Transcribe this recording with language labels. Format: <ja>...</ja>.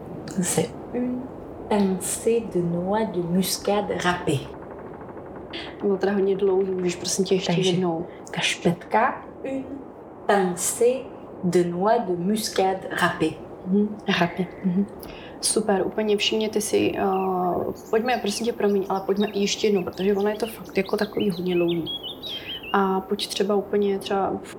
<cs>Zase</cs> <fr>pincée de noix de muscade râpée.</fr> <cs>Bylo teda hodně dlouhý, můžeš prosím tě ještě jednou. Ta špetka.</cs> <fr>Une pincée de noix de muscade râpée. Râpée.</fr> <cs>Super, úplně všimněte si. Pojďme, prosím tě, promiň, ale pojďme ještě jednou, protože ono je to fakt jako takový hodně dlouhý. A pojď třeba úplně třeba...</cs>